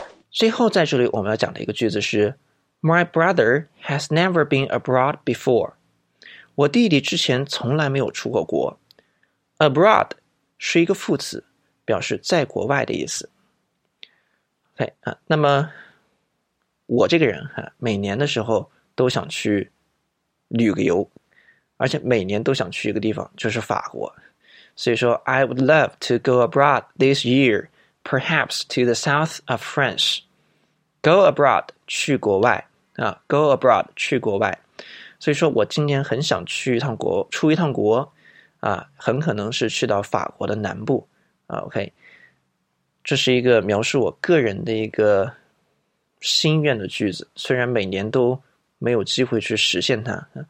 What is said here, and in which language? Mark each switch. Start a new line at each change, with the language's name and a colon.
Chinese: 最后在这里我们要讲的一个句子是
English: My brother has never been abroad before，
Chinese: 我弟弟之前从来没有出过国。 Abroad 是一个副词，表示在国外的意思。 Okay, 啊、那么我这个人、啊、每年的时候都想去旅个游，而且每年都想去一个地方，就是法国。所以说
English: I would love to go abroad this year, perhaps to the south of France.
Chinese: Go abroad, 去国外、啊、go abroad, 去国外。所以说我今年很想去一趟国，出一趟国、啊、很可能是去到法国的南部、啊、OK。这是一个描述我个人的一个心愿的句子，虽然每年都没有机会去实现它。